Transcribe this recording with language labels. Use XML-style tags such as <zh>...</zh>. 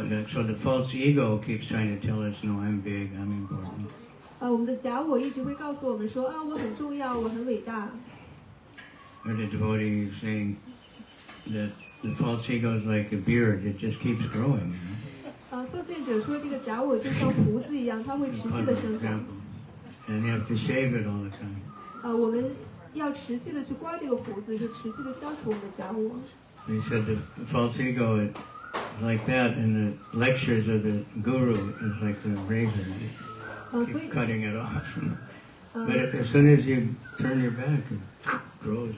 <en>So the false ego keeps trying to tell us, no, I'm big, I'm important.</en> <zh>我们的假我一直会告诉我们说，啊，我很重要，我很伟大。</zh> <en>Or the devotee is saying that the false ego is like a beard; it just keeps growing.</en> <zh>奉献者说，这个假我就像胡子一样，它会持续的生长。</zh> <en>And you have to shave it all the time.</en> <zh>我们要持续的去刮这个胡子，就持续的消除我们的假我。</zh> <en>They said the false ego is like that, and the lectures of the guru is like the razor. Keep cutting it off. But as soon as you turn your back, it grows.</en>